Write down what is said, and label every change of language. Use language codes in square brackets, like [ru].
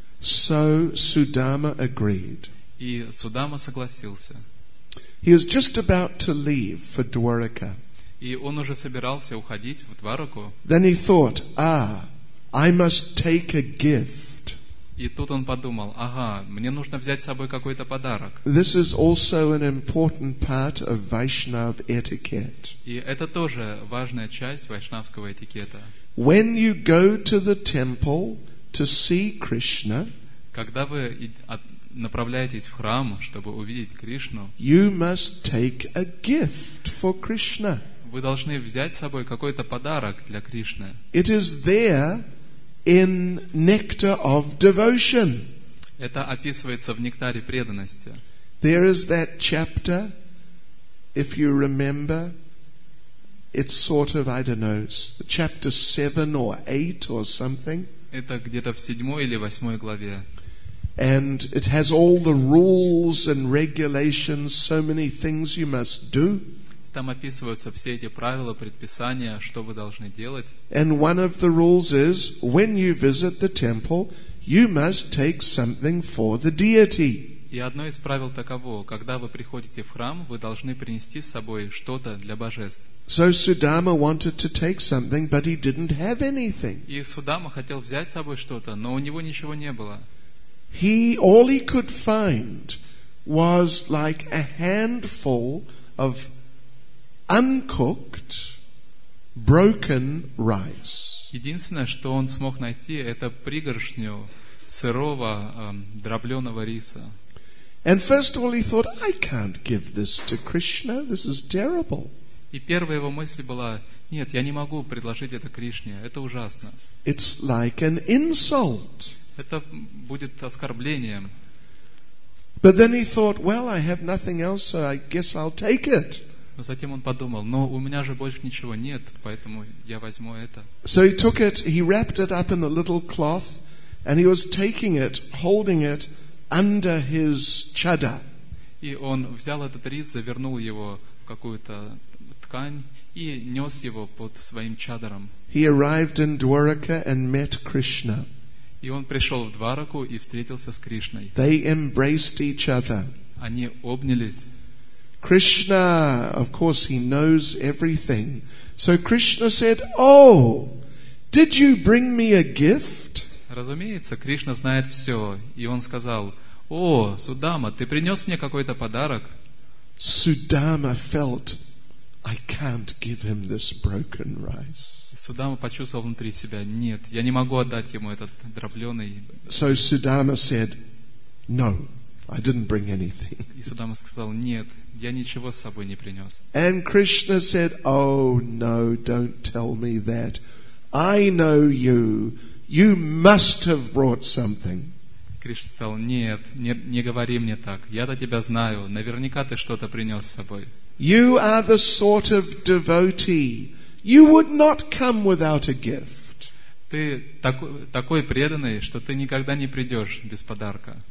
[en] So Sudama agreed. [ru] И Судама согласился. [en] He is just about to leave for Dwarka. [ru] И он уже собирался уходить в Двараку. [en] Then he thought, ah, I must take a gift. [ru] И тут он подумал, ага, мне нужно взять с собой какой-то подарок. [en] This is also an important part of Vaishnav etiquette. [ru] И это тоже важная часть вайшнавского этикета. [en] When you go to the temple to see Krishna, [ru] когда вы направляетесь в храм, чтобы увидеть Кришну, [en] you must take a gift for Krishna. [ru] Вы должны взять с собой какой-то подарок для Кришны. [en] It is there in nectar of devotion. [ru] Это описывается в нектаре преданности. [en] There is that chapter, if you remember, it's sort of, I don't know, chapter 7 or 8 or something. [ru] Это где-то в 7 или 8 главе. [en] And it has all the rules and regulations, so many things you must do. [ru] Там описываются все эти правила, предписания, что вы должны делать. [en] And one of the rules is, when you visit the temple, you must take something for the deity. [ru] И одно из правил таково: когда вы приходите в храм, вы должны принести с собой что-то для божеств. [en] So Sudama wanted to take something, but he didn't have anything. [ru] И Судама хотел взять с собой что-то, но у него ничего не было. [en] All he could find was like a handful of uncooked, broken rice. [ru] Единственное, что он смог найти, это пригоршню сырого, дробленого риса. [en] And first of all, he thought, I can't give this to Krishna. This is terrible. [ru] И первая его мысль была: нет, я не могу предложить это Кришне. Это ужасно. [en] It's like an insult. [ru] Это будет оскорблением. [en] But then he thought, well, I have nothing else, so I guess I'll take it. [ru] Но затем он подумал: но у меня же больше ничего нет, поэтому я возьму это. [en] So he took it, he wrapped it up in a little cloth, and he was taking it, holding it under his chada. [ru] И он взял этот рис, завернул его в какую-то ткань и нес его под своим чадаром. [en] He arrived in Dwarka and met Krishna. [ru] И он пришел в Двараку и встретился с Кришной. [en] They embraced each other. [ru] Они обнялись. [en] Krishna, of course, he knows everything. So Krishna said, "Oh, did you bring me a gift?" [ru] Разумеется, Кришна знает все, и он сказал: "О, Судама, ты принес мне какой-то подарок?" [en] Sudama felt, "I can't give him this broken rice." [ru] Судама почувствовал внутри себя: "Нет, я не могу отдать ему этот дробленый." [en] So Sudama said, "No, I didn't bring anything." [ru] И Судама сказал: "Нет, я ничего с собой не принес." [en] And Krishna said, "Oh no, don't tell me that. I know you. You must have brought something." [ru] Кришна сказал: "Нет, не говори мне так. Я-то тебя знаю. Наверняка ты что-то принес с собой." [en] You are the sort of devotee. You would not come without a gift. [ru] Ты такой преданный, что ты никогда не придешь без подарка.